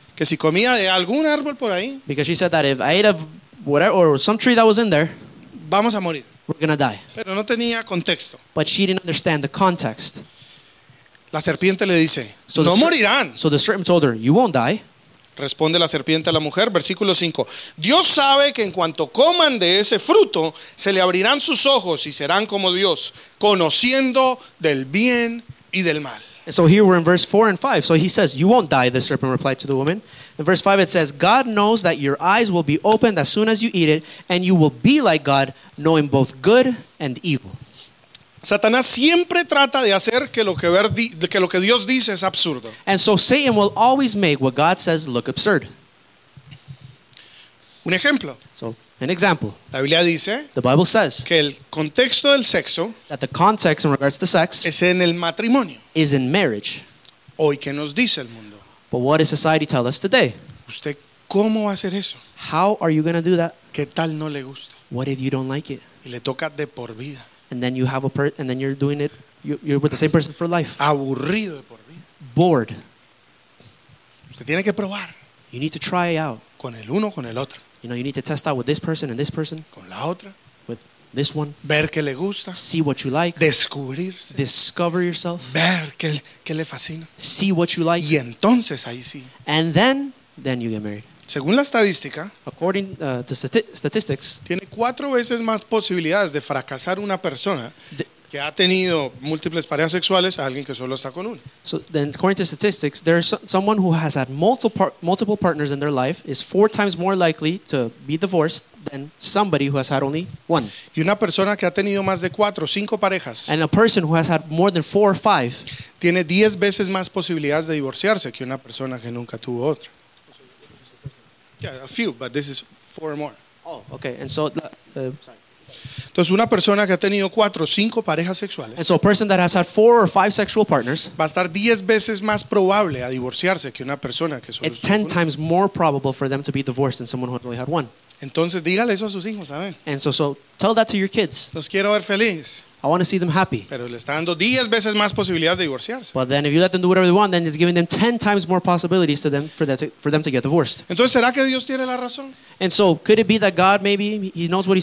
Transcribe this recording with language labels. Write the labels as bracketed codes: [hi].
[es] Que si comía de algún árbol por ahí. [en] Because she said that if I ate of whatever or some tree that was in there, [es] vamos a morir. [en] We're gonna die. [es] Pero no tenía contexto. [en] But she didn't understand the context. [es] La serpiente le dice, so no morirán. [en] So the serpent told her, you won't die. [es] Responde la serpiente a la mujer, versículo 5. Dios sabe que en cuanto coman de ese fruto, se le abrirán sus ojos y serán como Dios, conociendo del bien y del mal. [en] And so here we're in verse 4 and 5. So he says, you won't die, the serpent replied to the woman. In verse 5 it says, God knows that your eyes will be opened as soon as you eat it, and you will be like God, knowing both good and evil. [es] Satanás siempre trata de hacer que lo que Dios dice es absurdo. [en] And so Satan will always make what God says look absurd. [es] Un ejemplo. [en] So, an example. [es] La Biblia dice, [en] the Bible says, [es] que el contexto del sexo, [en] that the context in regards to sex, [es] es en el matrimonio. [en] Is in marriage. [es] Hoy, ¿qué nos dice el mundo? [en] But what does society tell us today? [es] ¿Usted cómo va a hacer eso? [en] How are you going to do that? [es] ¿Qué tal no le gusta? [en] What if you don't like it? [es] Y le toca de por vida. [en] And then you have a person, and then you're doing it, you're with the same person for life. [es] Aburrido de por vida. [en] Bored. [es] Usted tiene que probar. [en] You need to try out. [es] Con el uno, con el otro. [en] You know, you need to test out with this person and this person. [es] Con la otra. [en] With this one. [es] Ver que le gusta. [en] See what you like. [es] Descubrirse. [en] Discover yourself. [es] Ver que le fascina. [en] See what you like. [es] Y entonces ahí sí. [en] And then you get married. [es] Según la estadística, [en] according to statistics, [es] tiene cuatro veces más posibilidades de fracasar una persona que ha tenido múltiples parejas sexuales a alguien que solo está con uno. [en] So then, according to statistics, there's someone who has had multiple partners in their life is four times more likely to be divorced than somebody who has had only one. [es] Y una persona que ha tenido más de cuatro o cinco parejas, [en] and a person who has had more than four or five, [es] tiene 10 veces más posibilidades de divorciarse que una persona que nunca tuvo otra. [en] Yeah, a few, but this is four more. Oh, okay. And so, [es] entonces una persona que ha tenido cuatro o cinco parejas sexuales, [en] and so a person that has had four or five sexual partners, [es] va a estar 10 veces más probable a divorciarse que una persona que solo. [en] It's 10 times more probable for them to be divorced than someone who only had one. [es] Entonces, dígale eso a sus hijos, ¿saben? [en] And so tell that to your kids. [es] Los quiero ver feliz. [en] I want to see them happy. [es] Pero le está dando 10 veces más posibilidades de divorciarse. [en] But then if you let them do whatever they want, then it's giving them 10 times more possibilities for them to get divorced. [es] Entonces, ¿será que Dios tiene la razón? [en] And so, could it be that God maybe he knows what he's